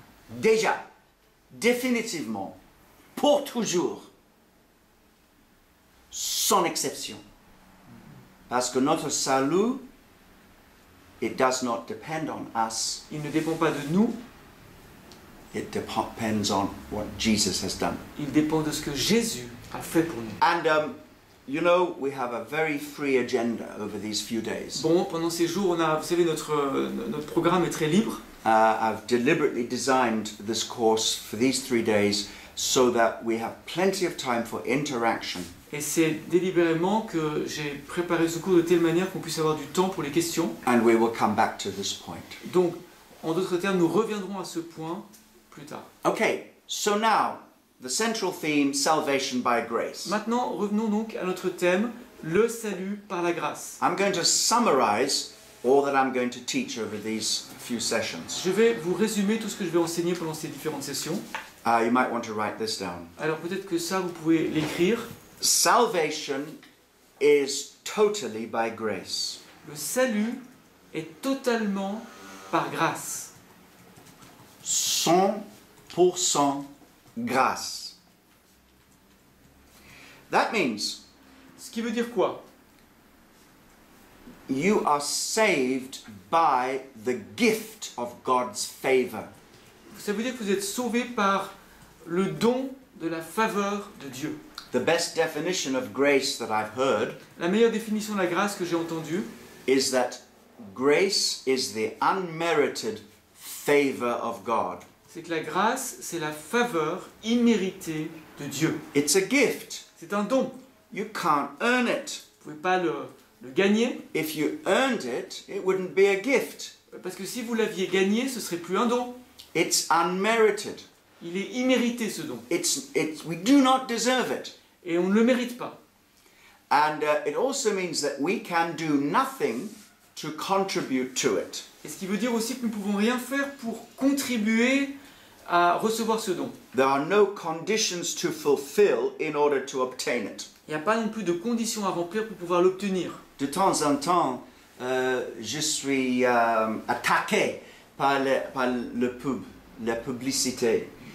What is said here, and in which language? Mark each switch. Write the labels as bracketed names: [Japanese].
[French] Déjà, définitivement, pour toujours, sans exception. Parce que notre salut, [English] it does not depend on us. [French] Il ne dépend pas de nous. [English] It depends on what Jesus has done. [French] Il dépend de ce que Jésus a fait pour nous. [English] And you know, we have a very free agenda over these few days. [French] Bon, pendant ces jours, on a, vous savez, notre programme est très libre. [English] I've deliberately designed this course for these 3 days so that we have plenty of time for interaction. [French] Et c'est délibérément que j'ai préparé ce cours de telle manière qu'on puisse avoir du temps pour les questions. [English] And we will come back to this point. [French] Donc, en d'autres termes, nous reviendrons à ce point. Plus tard. [English] Okay, so now the central theme, salvation by grace. [French] Maintenant, revenons donc à notre thème, le salut par la grâce. [English] I'm going to summarize all that I'm going to teach over these few sessions. [French] Je vais vous résumer tout ce que je vais enseigner pendant ces différentes sessions. [English] You might want to write this down. [French] Alors peut-être que ça, vous pouvez l'écrire. [English] Salvation is totally by grace. [French] Le salut est totalement par grâce. 100% grâce. [English] That means, [French] ce qui veut dire quoi? [English] You are saved by the gift of God's favor. [French] Ça veut dire que vous êtes sauvé par le don de la faveur de Dieu. [English] The best definition of grace that I've heard, [French] la meilleure définition de la grâce que j'ai entendue, [English] is that grace is the unmerited favor of God. [French] C'est que la grâce, c'est la faveur imméritée de Dieu. [English] It's a gift. [French] C'est un don. [English] You can't earn it. [French] Vous pouvez pas le gagner. [English] If you earned it, it wouldn't be a gift. [French] Parce que si vous l'aviez gagné, ce serait plus un don. [English] It's unmerited. [French] Il est immérité ce don. [English] It's we do not deserve it. [French] Et on ne le mérite pas. [English] And it also means that we can do nothing to contribute to it. [French] Et ce qui veut dire aussi que nous ne pouvons rien faire pour contribuer à recevoir ce don. [English] There are no conditions to fulfill in order to obtain it. [French] Il n'y a pas non plus de conditions à remplir pour pouvoir l'obtenir. De temps en temps, je suis attaqué par la publicité.